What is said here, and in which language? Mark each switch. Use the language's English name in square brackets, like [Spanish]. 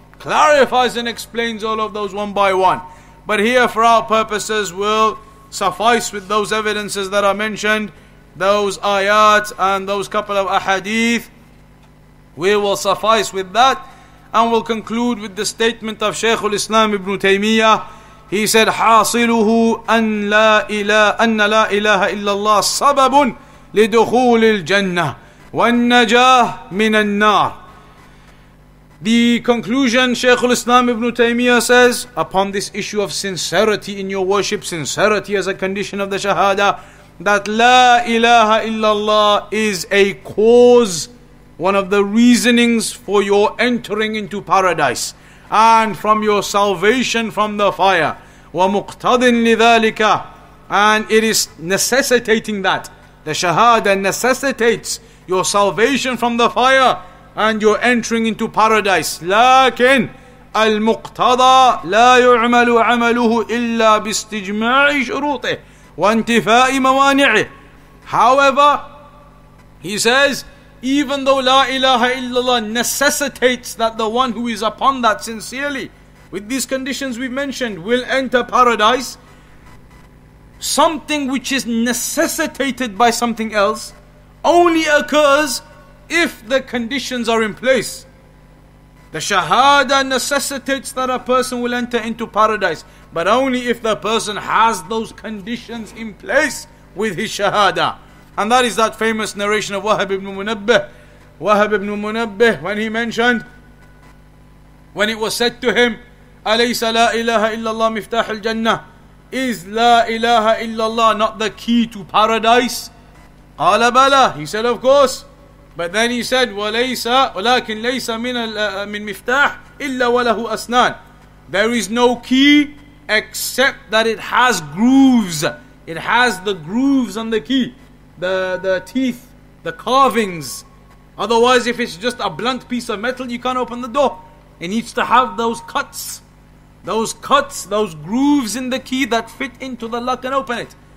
[English] Clarifies and explains all of those one by one. But here, for our purposes, we'll suffice with those evidences that are mentioned, those ayat and those couple of ahadith. We will suffice with that, and we'll conclude with the statement of Shaykh al-Islam ibn Taymiyyah. He said, [Arabic] حَاصِلُهُ أَنَّ لَا إِلَهَ إِلَّا اللَّهِ سَبَبٌ لِدُخُولِ الْجَنَّةِ وَالنَّجَاهِ مِنَ النَّارِ. [English] The conclusion, Shaykh al-Islam ibn Taymiyyah says, upon this issue of sincerity in your worship, sincerity as a condition of the Shahada, that La ilaha illallah is a cause, one of the reasonings for your entering into paradise and from your salvation from the fire. [Arabic] وَمُقْتَضٍ لِذَلِكَ, [English] and it is necessitating that. The Shahada necessitates your salvation from the fire and you're entering into paradise. [Arabic] لكن المقتضى لا يعمل عمله إلا باستجماع شروطه وانتفاء موانعه. [English] However, he says, even though La ilaha illallah necessitates that the one who is upon that sincerely, with these conditions we've mentioned, will enter paradise, something which is necessitated by something else only occurs if the conditions are in place. The Shahada necessitates that a person will enter into paradise, but only if the person has those conditions in place with his Shahada. And that is that famous narration of Wahab ibn Munabbih. Wahab ibn Munabbih, when he mentioned, when it was said to him, [Arabic] أَلَيْسَ لَا إِلَهَ إِلَّا اللَّهِ مِفْتَاحِ الْجَنَّةِ, [English] is La ilaha illallah not the key to paradise? [Arabic] قَالَ بَلَى, [English] he said, of course. But then he said, [Arabic] وَلَيْسَ وَلَكِنْ لَيْسَ مِنْ مِفْتَاحِ إِلَّا وَلَهُ أَسْنَانِ. [English] There is no key except that it has grooves. It has the grooves on the key, the teeth, the carvings. Otherwise, if it's just a blunt piece of metal, you can't open the door. It needs to have those cuts. Those cuts, those grooves in the key that fit into the lock and open it.